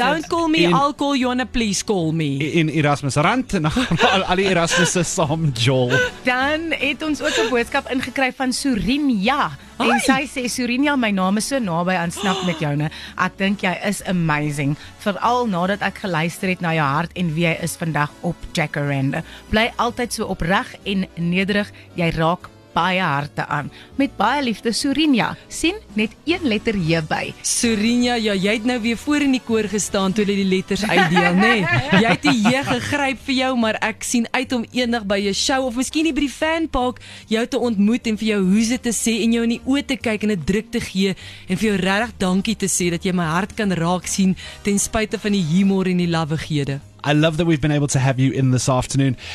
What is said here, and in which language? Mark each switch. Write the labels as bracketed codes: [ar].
[en] Don't call me, I'll call you on a please call me. [af] In Erasmus rand, en al die Erasmusse saam jol. Dan het ons ook een boodskap ingekry van Surinja. Hi. En sy sê, Surinja, my naam is so naby aan snap met jou. Ek dink jy is amazing. Vooral nadat ek geluister het na jou hart en wie jy is vandag op Jacaranda. Bly altyd so opreg en nederig, jy raak baie harte aan. Met baie liefde, Surinja. Sien, net een letter J by. Surinja, ja, jy het nou weer voor in die koor gestaan toe hulle die letters uitdeel, nê? Nee. Jy het die J gegryp vir jou, maar ek sien uit om eendag by jou show of miskien nie by die fanpark jou te ontmoet en vir jou hoese te sê en jou in die oë te kyk en 'n druk te gee en vir jou regtig dankie te sê dat jy my hart kan raak sien ten spyte van die humor en die lawegede. [en] I love that we've been able to have you in this afternoon.